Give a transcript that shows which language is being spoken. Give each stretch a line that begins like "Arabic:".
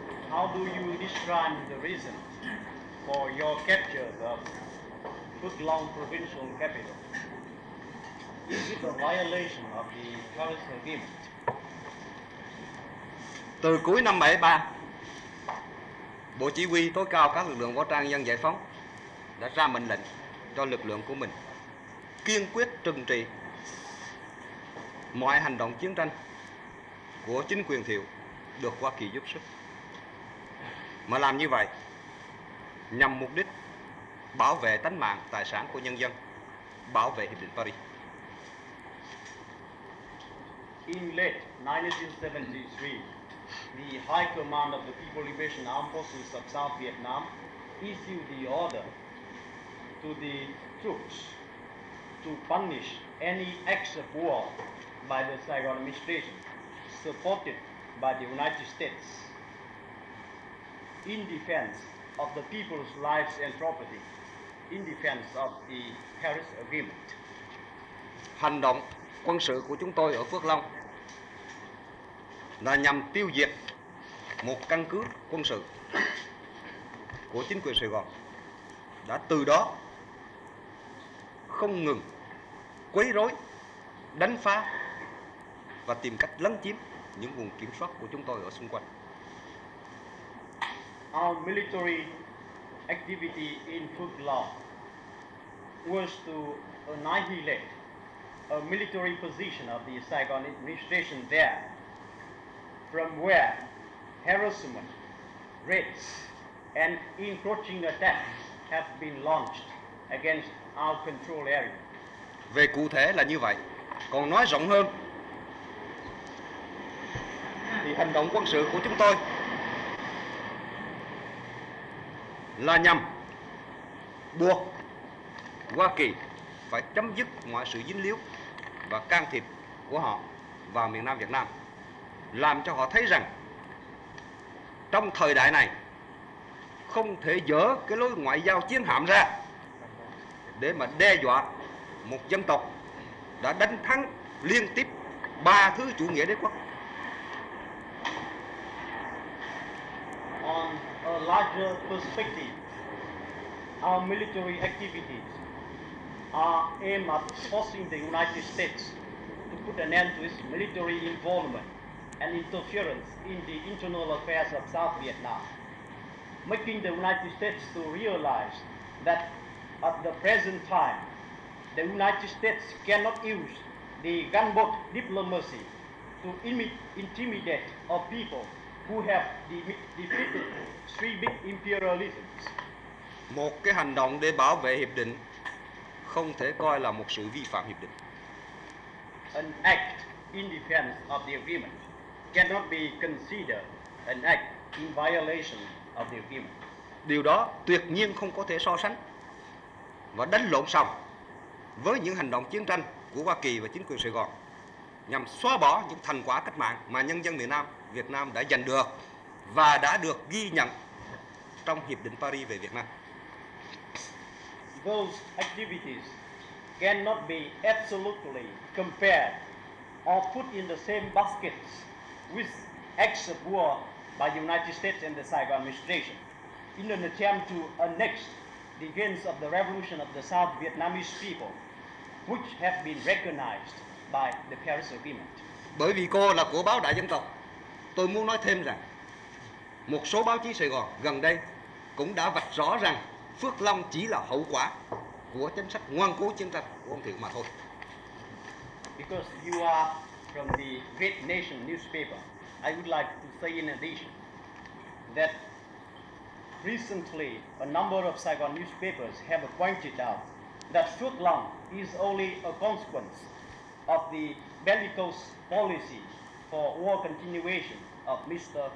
English: How do you describe the reason for your capture of Phước Long provincial capital? Is it a violation of the Paris Agreement?
Vietnamese: Từ cuối năm 73, Bộ Chỉ huy tối cao các lực lượng võ trang dân giải phóng đã ra mệnh lệnh cho lực lượng của mình kiên quyết trừng trị mọi hành động chiến tranh của chính quyền Thiệu được Hoa Kỳ giúp sức. Mà làm như vậy nhằm mục đích bảo vệ tánh mạng, tài sản của nhân dân, bảo vệ Hiệp định Paris.
English: In late 1973, the High Command of the People Liberation Armed Forces of South Vietnam issued the order to the troops to punish any acts of war by the Saigon administration supported by the United States in defense of the people's lives and property, in defense of the Paris Agreement.
Vietnamese: Hành động quân sự của chúng tôi ở Phước Long là nhằm tiêu diệt một căn cứ quân sự của chính quyền Sài Gòn, đã từ đó không ngừng quấy rối, đánh phá và tìm cách lấn chiếm những vùng kiểm soát của chúng tôi ở xung quanh.
English: Our military activity in Phước Long was to annihilate a military position of the Saigon administration there, from where harassment, raids, and encroaching attacks have been launched against our control area.
Vietnamese: Về cụ thể là như vậy. Còn nói rộng hơn, thì hành động quân sự của chúng tôi là nhằm buộc Hoa Kỳ phải chấm dứt mọi sự dính líu và can thiệp của họ vào miền Nam Việt Nam, làm cho họ thấy rằng trong thời đại này không thể dỡ cái lối ngoại giao chiến hạm ra để mà đe dọa một dân tộc đã đánh thắng liên tiếp ba thứ chủ nghĩa đế quốc.
English: On a larger perspective, our military activities are aimed at forcing the United States to put an end to its military involvement and interference in the internal affairs of South Vietnam, making the United States to realize that at the present time, the United States cannot use the gunboat diplomacy to intimidate a people who have defeated three big imperialisms.
Vietnamese: Một cái hành động để bảo vệ hiệp định không thể coi là một sự vi phạm hiệp định.
English: An act in defense of the agreement cannot be considered an act in violation of the agreement.
Vietnamese: Điều đó tuyệt nhiên không có thể so sánh và đánh lộn xong với những hành động chiến tranh của Hoa Kỳ và chính quyền Sài Gòn nhằm xóa bỏ những thành quả cách mạng mà nhân dân miền Nam Việt Nam đã giành được và đã được ghi nhận trong Hiệp định Paris về Việt Nam.
English: Those activities cannot be absolutely compared or put in the same baskets with acts of war by the United States and the Saigon administration in an attempt to annex the gains of the revolution of the South Vietnamese people, which have been recognized by the Paris Agreement.
Vietnamese: Bởi vì cô là của báo Đại Dân Tộc, tôi muốn nói thêm rằng một số báo chí Sài Gòn gần đây cũng đã vạch rõ rằng Phước Long chỉ là hậu quả của chính sách ngoan cố chiến tranh của ông Thiệu mà thôi.
English: Because you are from the Great Nation newspaper, I would like to say in addition that recently, a number of Saigon newspapers have pointed out that Phuoc Long is only a consequence of the bellicose policy for war continuation of Mr.